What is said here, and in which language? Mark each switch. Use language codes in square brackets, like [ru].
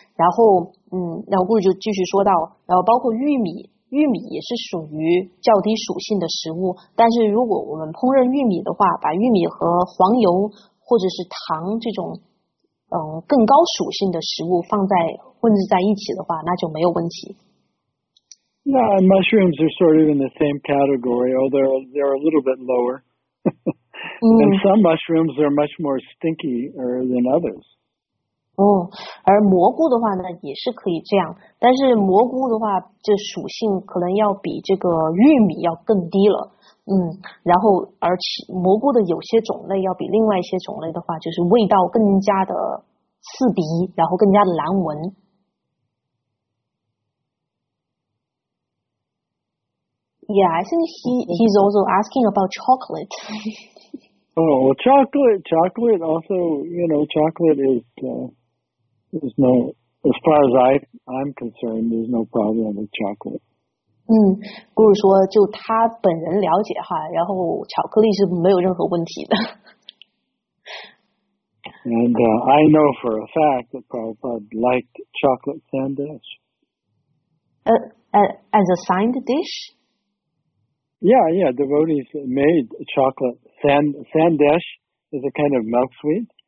[zh] 然后然后故事就继续说到，然后包括玉米也是属于较低属性的食物，但是如果我们烹饪玉米的话，把玉米和黄油或者是糖这种更高属性的食物混置在一起的话，那就没有问题。 [en] Yeah, and mushrooms are sort of in the same category, although they're a little bit lower. And some mushrooms are much more stinkier than others. [zh] 而蘑菇的话呢，也是可以这样，但是蘑菇的话，这属性可能要比这个玉米要更低了。然后而且蘑菇的有些种类要比另外一些种类的话，就是味道更加的刺鼻，然后更加的难闻。 [en] Yeah, I think he's also asking about chocolate. chocolate also, chocolate is no, as far as I'm concerned, there's no problem with chocolate. [zh] 不如说就他本人了解哈，然后巧克力是没有任何问题的。 [en] And I know for a fact that Prabhupada liked chocolate sandwich. As a side dish? Yeah, devotees made chocolate. Sandesh is a kind of milk sweet.